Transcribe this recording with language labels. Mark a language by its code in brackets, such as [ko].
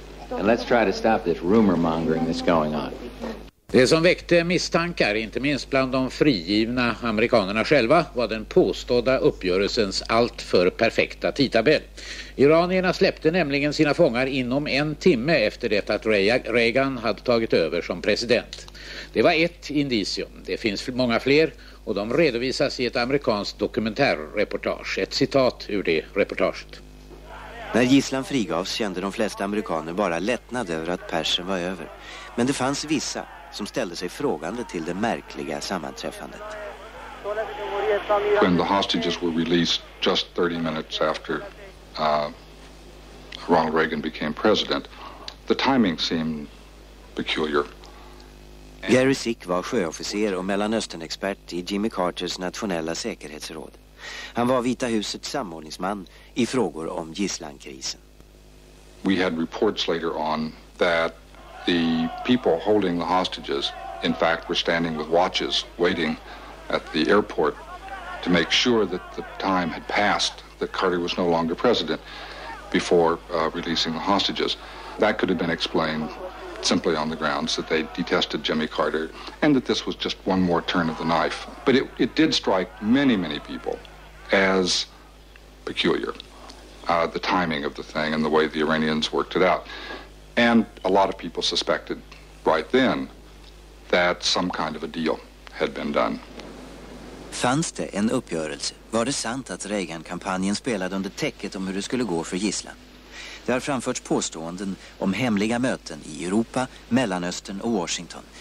[en] And let's try to stop this rumor mongering that's going on. [sv] Det som väckte misstankar, inte minst bland de frigivna amerikanerna själva, var den påstådda uppgörelsens allt för perfekta tidtabell. Iranierna släppte nämligen sina fångar inom en timme efter det att Reagan hade tagit över som president. Det var ett indicium, det finns många fler, och de redovisas i ett amerikanskt dokumentärreportage. Ett citat ur det reportaget. När gisslan frigavs kände de flesta amerikaner bara lättnad över att persen var över. Men det fanns vissa som ställde sig frågande till det märkliga sammanträffandet. [en] When the hostages were released just 30 minutes after Ronald Reagan became president, the timing seemed peculiar. [sv] Gary Sick var sjöofficer och Mellanöstern-expert i Jimmy Carters nationella säkerhetsråd. Han var Vita husets samordningsman i frågor om gisslankrisen. [en] We had reports later on that the people holding the hostages in fact were standing with watches waiting at the airport to make sure that the time had passed that Carter was no longer president before releasing the hostages. That could have been explained simply on the grounds that they detested Jimmy Carter and that this was just one more turn of the knife. But it did strike many, many people as peculiar, the timing of the thing and the way the Iranians worked it out. And a lot of people suspected right then that some kind of a deal had been done. [sv] Fanns det en uppgörelse? Var det sant att Reagan-kampanjen spelade under täcket om hur det skulle gå för gisslan? Det har framförts påståenden om hemliga möten i Europa, Mellanöstern och Washington.